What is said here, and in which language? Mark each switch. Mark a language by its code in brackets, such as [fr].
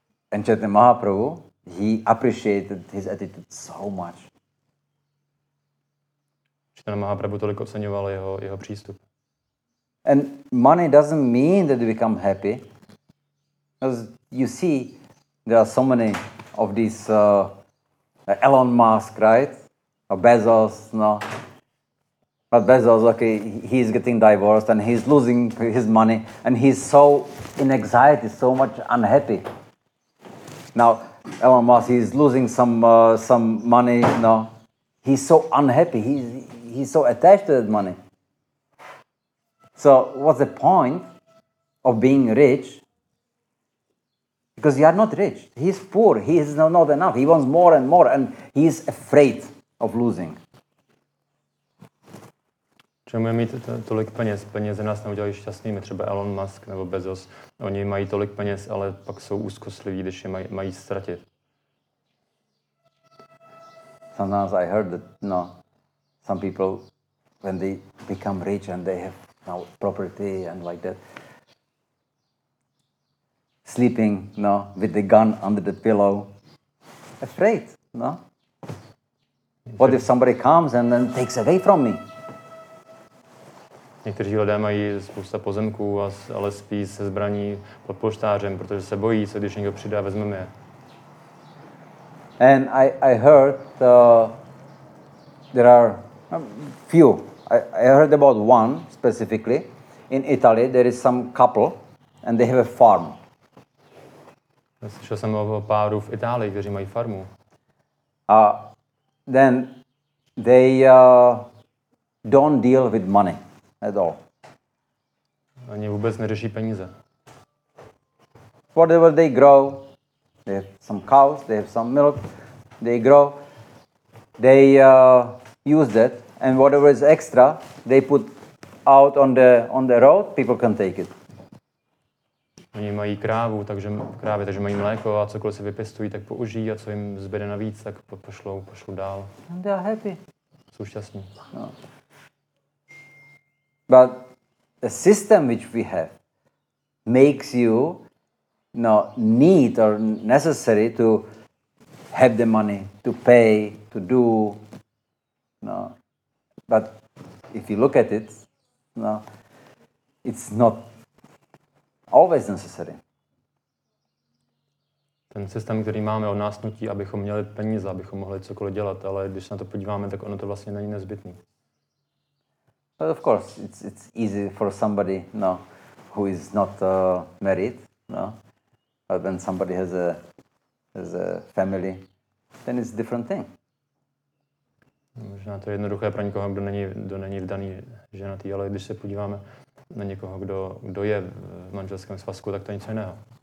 [en] And Chaitanya Mahaprabhu, he appreciated his attitude so much. [cs] Chaitanya Mahaprabhu tolik oceňoval jeho přístup. [en] And money doesn't mean that you become happy. As you see, there are so many of these Elon Musk, right? Or Bezos, no? But Bezos, okay, he's getting divorced and he's losing his money and he's so in anxiety, so much unhappy. Now, Elon Musk, he's losing some money, no? He's so unhappy, he's so attached to that money. So what's the point of being rich? Because you are not rich. He's poor. He is not enough. He wants more and more, and he is afraid of losing. [cs] Čemu je mít tolik peněz? Peníze nás neudělají šťastnými. Třeba Elon Musk nebo Bezos. Oni mají tolik peněz, ale pak jsou úzkostliví, když je mají ztratit. [en] Sometimes I heard that, you know, some people, when they become rich and they have now property and like that, sleeping, no, with the gun under the pillow, afraid, no. What if somebody comes and then takes away from me? [cs] Někteří lidé mají spousta pozemků, ale spí se zbraní pod polštářem, protože se bojí, co když někdo přijde a vezme mě. [en] And I heard there are a few. I heard about one specifically. In Italy, there is some couple and they have a farm. [cs] Slyšel jsem o páru v Itálii, kteří mají farmu. [en] Then they don't deal with money at all. [cs] Oni vůbec neřeší peníze. [en] Whatever they grow, they have some cows, they have some milk, they grow, they use that. And whatever is extra, they put out on the road, people can take it. [cs] Oni mají krávy, takže mají mléko a cokoliv si vypěstují, tak použijí a co jim zbyde navíc, tak pošlou dál. [en] And they are happy. [cs] Jsou šťastní. [en] No. But the system which we have makes you need or necessary to have the money, to pay, to do. No. But if you look at it, no, it's not always necessary. [cs] Ten systém, který máme, od nás nutí, abychom měli peníze, abychom mohli cokoliv dělat, ale když na to podíváme, tak ono to vlastně není nezbytný. [en] But of course, it's easy for somebody, no, who is not married, no, but when somebody has a family, then it's a different thing. [cs] Možná to je jednoduché pro někoho, kdo není vdaný, ženatý, ale když se podíváme na někoho, kdo je v manželském svazku, tak to je nic jiného.